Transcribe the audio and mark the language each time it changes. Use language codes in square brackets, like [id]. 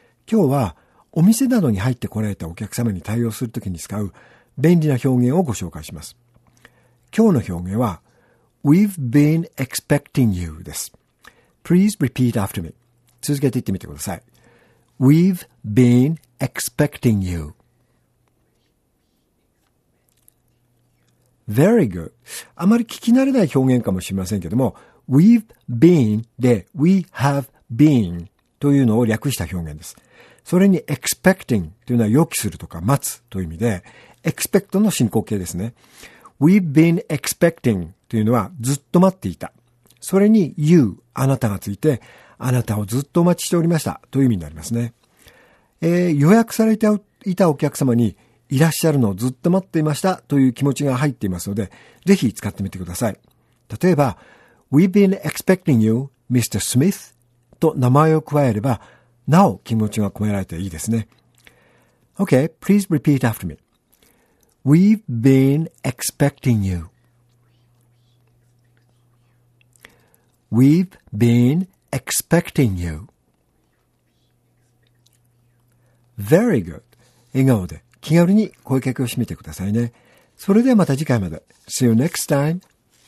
[ja] 今日はお店などに入ってこられたお客様に対応するときに使う便利な表現をご紹介します。今日の表現は [en] We've been expecting you [ja] です。 [en] Please repeat after me. [ja] 続けて言ってみてください。 [en] We've been expecting you. Very good. [ja] あまり聞き慣れない表現かもしれませんけども、 [en] We've been [ja] で [en] We have been [ja] というのを略した表現です。それに expecting というのは予期するとか待つという意味で、expect の進行形ですね。 [en] We've been expecting [ja] というのはずっと待っていた。それに you、あなたがついて、あなたをずっとお待ちしておりましたという意味になりますね。予約されていたお客様にいらっしゃるのをずっと待っていましたという気持ちが入っていますので、ぜひ使ってみてください。例えば、 [en] We've been expecting you, Mr. [ja] Smith と名前を加えれば、なお気持ちが込められていいですね。 [en] Okay, please repeat after me. We've been expecting you. We've been expecting you. Very good. [ja] 笑顔で気軽に声かけを締めてくださいね。それではまた次回まで。 [en] See you next time.